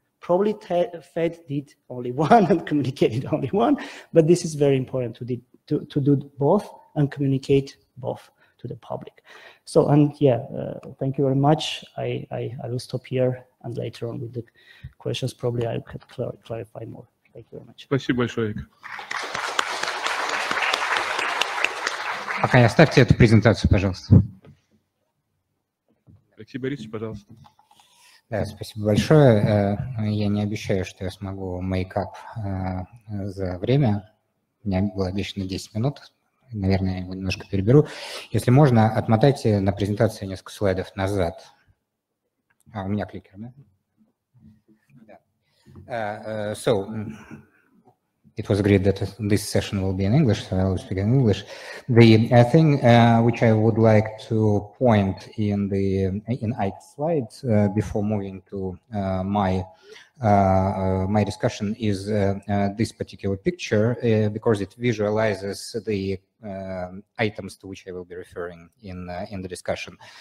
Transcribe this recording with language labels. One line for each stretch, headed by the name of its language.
English: Probably Fed did only one and communicated only one, but this is very important to do both and communicate both to the public. So, and yeah, thank you very much. I will stop here, and later on with the questions, probably I could clarify more. Thank you very much.
Russian: Спасибо большое. Пока не оставьте эту презентацию, пожалуйста. Алексей Борисович, пожалуйста. Да, спасибо большое. Я не обещаю, что я смогу мейкап за время. У меня было обещано 10 минут. Наверное, я его немножко переберу. Если можно, отмотайте на презентацию несколько слайдов назад. А, у меня кликер, да? Да.
English: So it was agreed that this session will be in English, so I'll speak in English. The thing which I would like to point in the in Ike's slides before moving to my discussion is this particular picture, because it visualizes the items to which I will be referring in the discussion.